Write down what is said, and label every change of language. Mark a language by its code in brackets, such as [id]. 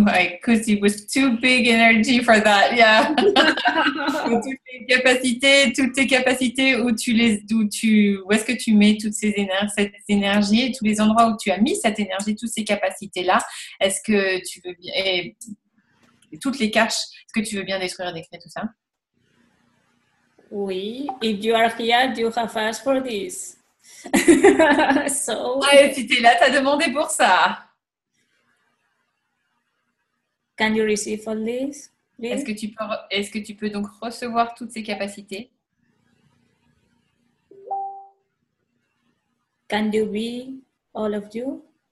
[en] Because it was too big energy for that. Yeah. [fr] toutes tes capacités où est-ce que tu mets toutes ces énergies, tous les endroits où tu as mis cette énergie, toutes ces capacités là. Est-ce que tu veux bien et toutes les caches. Est-ce que tu veux bien détruire, décrire tout ça? Oui. [en] If you are here, you have asked for this. [fr] So, ah, et si t'es là, t'as demandé pour ça. [en] Can you receive all this, please? [fr] Est-ce que tu peux donc recevoir toutes ces capacités? [en] Can you be all of you?